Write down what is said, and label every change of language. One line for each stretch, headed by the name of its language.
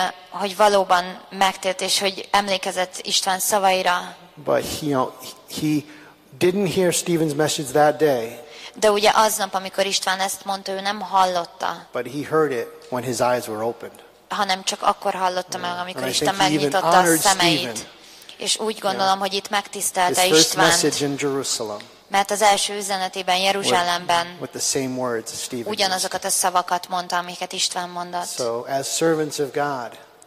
Hungarian: Hogy valóban megtért és hogy emlékezett István szavaira.
English: But he didn't hear Stephen's message that day.
Hungarian: De ugye aznap, amikor István ezt mondta, ő nem hallotta.
English: But he heard it when his eyes were opened.
Hungarian: Hanem csak akkor hallottam el, amikor Isten megnyitotta a szemeit. És úgy gondolom, hogy itt megtisztelte Istvánt. Mert az első üzenetében, Jeruzsálemben ugyanazokat a szavakat mondta, amiket István mondott.
English: So, as servants of God,